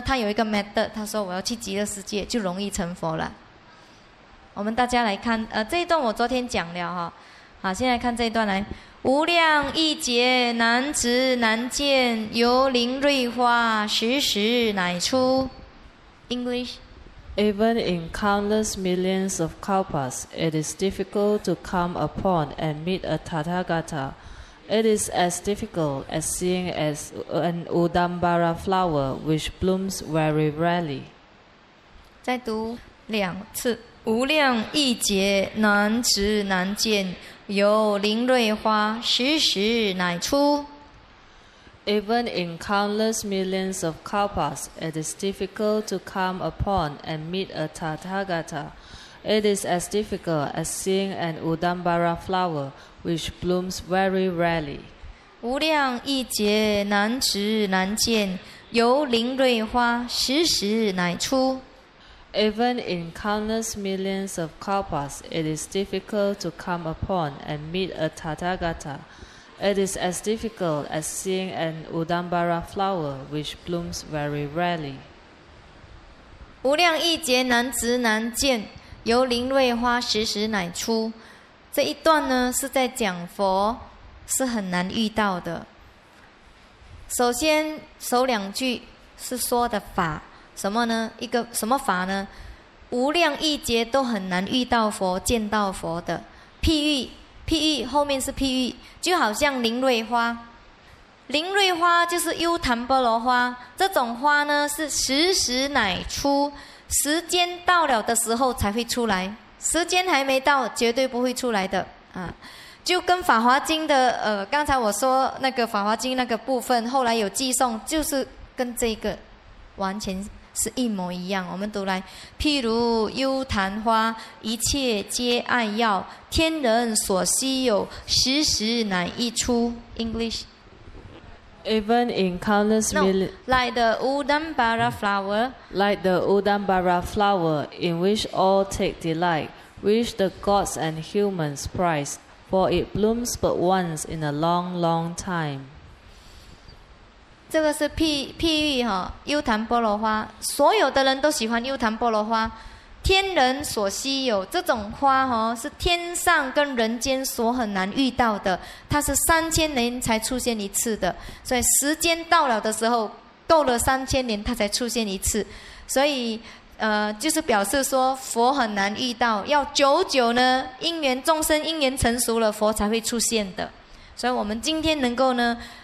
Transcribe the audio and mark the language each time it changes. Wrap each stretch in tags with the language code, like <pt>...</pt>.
<zh>他有一个 method， 他说我要去极乐世界就容易成佛了。我们大家来看这一段我昨天讲了哈，好，现在看这一段来。无量义劫难值难见，由灵瑞花时时乃出。</zh> <en>English. Even in countless millions of kalpas, it is difficult to come upon and meet a Tathagata. It is as difficult as seeing as an Udambara flower which blooms very rarely.</en> <zh>再读两次。无量义劫难值难见，由灵瑞花时时乃出。</zh> <en>Even in countless millions of kalpas, it is difficult to come upon and meet a Tathagata. It is as difficult as seeing an Udambara flower, which blooms very rarely.</en> <zh>无量义劫难值难见，由灵瑞花时时乃出。</zh> <en>Even in countless millions of kalpas, it is difficult to come upon and meet a Tathagata. It is as difficult as seeing an Udambara flower which blooms very rarely.</en> <zh>无量义劫难值难见，由灵瑞花时时乃出。这一段呢，是在讲佛是很难遇到的。首先，首两句是说的法。什么呢？一个什么法呢？无量义劫都很难遇到佛、见到佛的。譬喻后面是譬喻，就好像灵瑞花。灵瑞花就是优昙波罗花，这种花呢是时时乃出，时间到了的时候才会出来，时间还没到绝对不会出来的啊。就跟法华经的刚才我说那个法华经那个部分，后来有寄送，就是跟这个完全。是一模一样，我们读来，譬如幽昙花，一切皆爱药，天人所稀有，时时乃溢出。</zh> <en>English. Even in countless millions. Like the Udambara flower. Like the Udambara flower, in which all take delight, which the gods and humans prize, for it blooms but once in a long, long time.</en> <zh>这个是譬喻哈，幽昙波罗花，所有的人都喜欢幽昙波罗花，天人所稀有，这种花哈是天上跟人间所很难遇到的，它是3000年才出现一次的，所以时间到了的时候，够了3000年它才出现一次，所以就是表示说佛很难遇到，要久久呢，因缘众生因缘成熟了，佛才会出现的，所以我们今天能够呢。</zh>